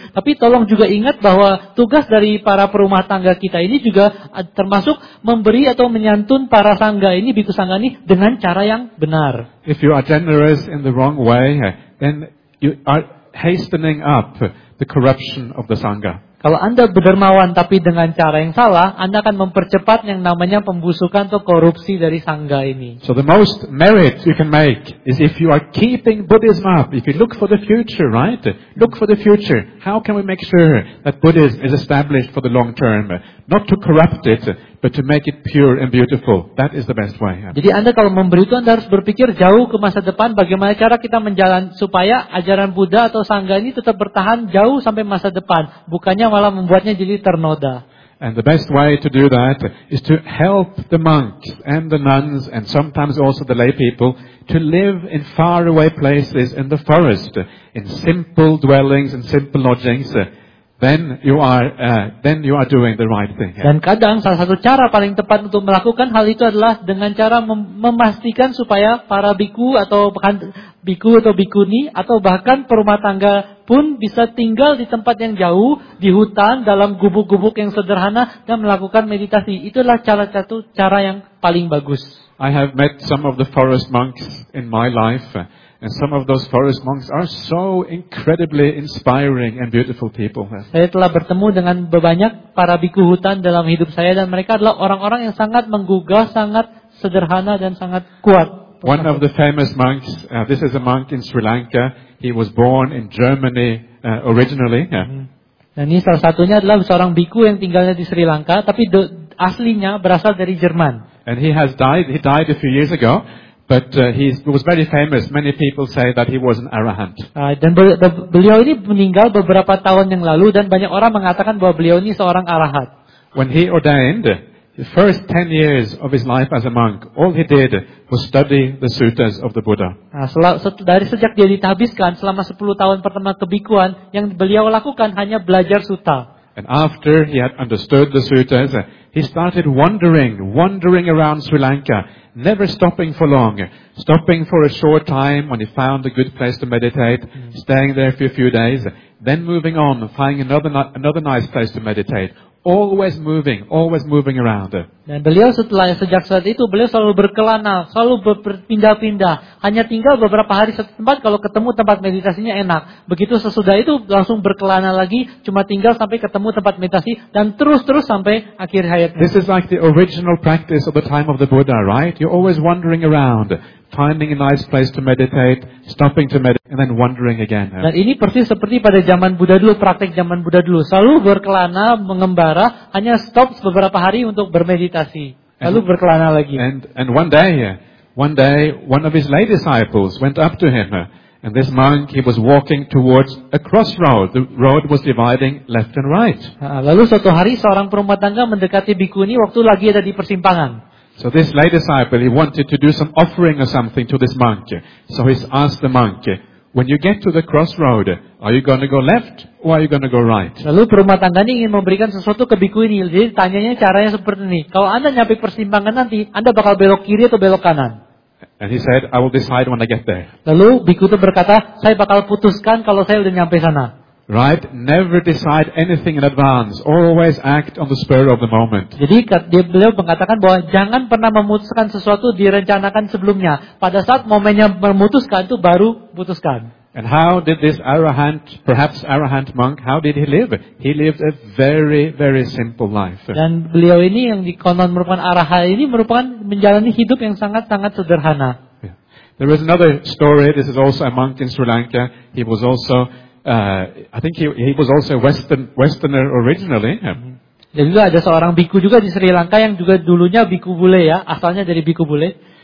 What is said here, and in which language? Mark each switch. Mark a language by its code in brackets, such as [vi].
[id] Tapi tolong juga ingat bahwa tugas dari para perumah tangga kita ini juga termasuk memberi atau menyantun para sangga ini, biku sangga ini, dengan cara yang benar. [en] If you are generous in the wrong way, then you are hastening up the corruption of the sangha. [id] Kalau Anda berdermawan tapi dengan cara yang salah, Anda akan mempercepat yang namanya pembusukan atau korupsi dari sangga ini. [en] So the most merit you can make is if you are keeping Buddhism up, if you look for the future, right? Look for the future. How can we make sure that Buddhism is established for the long term? Not to corrupt it, but to make it pure and beautiful. That is the best way. [id] Jadi Anda kalau memberi itu, Anda harus berpikir jauh ke masa depan, bagaimana cara kita menjalan supaya ajaran Buddha atau sangga ini tetap bertahan jauh sampai masa depan, bukannya malah membuatnya jadi ternoda. [en] And the best way to do that is to help the monks and the nuns and sometimes also the lay people to live in far away places in the forest, in simple dwellings and simple lodgings. Then you are doing the right thing. [id] Dan kadang salah satu cara paling tepat untuk melakukan hal itu adalah dengan cara memastikan supaya para biku atau bahkan biku atau bikuni atau bahkan perumah tangga pun bisa tinggal di tempat yang jauh, di hutan, dalam gubuk-gubuk yang sederhana dan melakukan meditasi. Itulah salah satu cara yang paling bagus. [en] I have met some of the forest monks in my life, and some of those forest monks are so incredibly inspiring and beautiful people. [id] Saya telah bertemu dengan banyak para biku hutan dalam hidup saya, dan mereka adalah orang-orang yang sangat menggugah, sangat sederhana dan sangat kuat. [en] One of the famous monks, this is a monk in Sri Lanka. He was born in Germany originally. [id] Dan ini salah satunya adalah seorang biku yang tinggalnya di Sri Lanka, tapi aslinya berasal dari Jerman. [en] And he has died. He died a few years ago, but he was very famous. Many people say that he was an arahant. [id] Dan beliau ini meninggal beberapa tahun yang lalu, dan banyak orang mengatakan bahwa beliau ini seorang arahat. [en] When he ordained, the first 10 years of his life as a monk, all he did was study the suttas of the Buddha. [id] Dari sejak dia ditabiskan selama 10 tahun pertama kebikuan, yang beliau lakukan hanya belajar sutta. [en] And after he had understood the suttas, he started wandering around Sri Lanka, never stopping for long, stopping for a short time when he found a good place to meditate, staying there for a few days, then moving on, finding another nice place to meditate. Always moving around. [id] Dan beliau sejak saat itu beliau selalu berkelana, selalu berpindah-pindah, hanya tinggal beberapa hari satu tempat. Kalau ketemu tempat meditasinya enak, begitu sesudah itu langsung berkelana lagi, cuma tinggal sampai ketemu tempat meditasi, dan terus-terus sampai akhir hayatnya. [en] This is like the original practice of the time of the Buddha, right? You're always wandering around, finding a nice place to meditate, stopping to meditate, and then wandering again. [id] Dan ini persis seperti pada zaman Buddha dulu, praktek zaman Buddha dulu, selalu berkelana, mengembara, hanya stop beberapa hari untuk bermeditasi, lalu berkelana lagi. [en] And one day, one of his lay disciples went up to him, and this monk, he was walking towards a crossroad. The road was dividing left and right. [id] Lalu suatu hari seorang perumah tangga mendekati biku ini waktu lagi ada di persimpangan. [en] So this lay disciple, he wanted to do some offering or something to this monk. So he asked the monk, when you get to the crossroad, are you going to go left or are you going to go right? [id] Lalu perumah tangga ini ingin memberikan sesuatu ke biku ini. Jadi tanyanya caranya seperti ini. Kalau Anda nyampe persimpangan nanti, Anda bakal belok kiri atau belok kanan? [en] And he said, I will decide when I get there. [id] Lalu biku itu berkata, saya bakal putuskan kalau saya udah nyampe sana. [en] Right, never decide anything in advance. Always act on the spur of the moment. [id] Jadi beliau mengatakan bahwa jangan pernah memutuskan sesuatu direncanakan sebelumnya. Pada saat momennya memutuskan itu baru putuskan. [en] And how did this arahant, perhaps arahant monk, how did he live? He lived a very, very simple life. [id] Dan beliau ini yang dikonon merupakan arahat ini merupakan menjalani hidup yang sangat sangat sederhana. [en] Yeah. There is another story. This is also a monk in Sri Lanka. He was also I think he was also westerner originally. [id] Dan juga ada seorang biku juga di Sri Lanka yang juga dulunya biku bule ya, asalnya dari biku bule.